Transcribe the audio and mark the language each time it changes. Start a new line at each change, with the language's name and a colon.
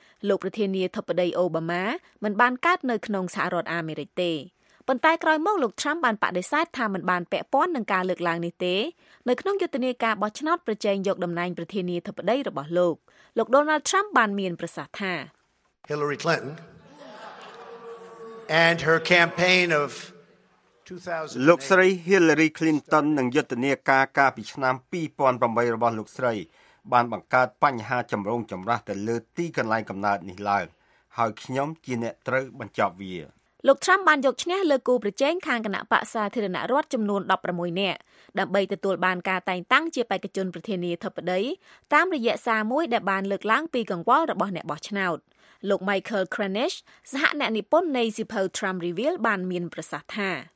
Khmer: លោកប្រធានាធិបតីអូបាម៉ាមិនបានកើតនៅក្នុងសហរដ្ឋអាមេរិកទេប៉ុន្តែក្រោយមកលោកត្រាំបានបដិសេធថាមិនបានពាក់ព័ន្ធនឹងការលើកឡើងនេះទេនៅក្នុងយុទ្ធនាការបោះឆ្នោតប្រជែងយកតំណែងប្រធានាធិបតីរបស់លោកលោក Donald Trump បានមានប្រសាសន៍ថា
English: Hillary Clinton and her campaign of
Khmer: 2000លោកស្រី Hillary Clinton និងយុទ្ធនាការកាលពីឆ្នាំ2008របស់លោកស្រីបានបង្កើតបញ្ហាចម្រូងចម្រាសទៅលើទីកន្លែងកំណើតនេះឡើងហើយខ្ញុំជាអ្នកត្រូវបញ្ចប់វា លោកត្រាំបានយកឈ្នះលើគូប្រជែងខាងគណៈបក្សសាធារណរដ្ឋចំនួន16នាក់ដើម្បីទទួលបានការតែងតាំងជាបេក្ខជនប្រធានាធិបតីតាមរយៈសារមួយដែលបានលើកឡើងពីកង្វល់របស់អ្នកបោះឆ្នោតលោក Michael Cranish សហអ្នកនិពន្ធនៃសៀវភៅ Trump Reveal បានមានប្រសាសន៍ថា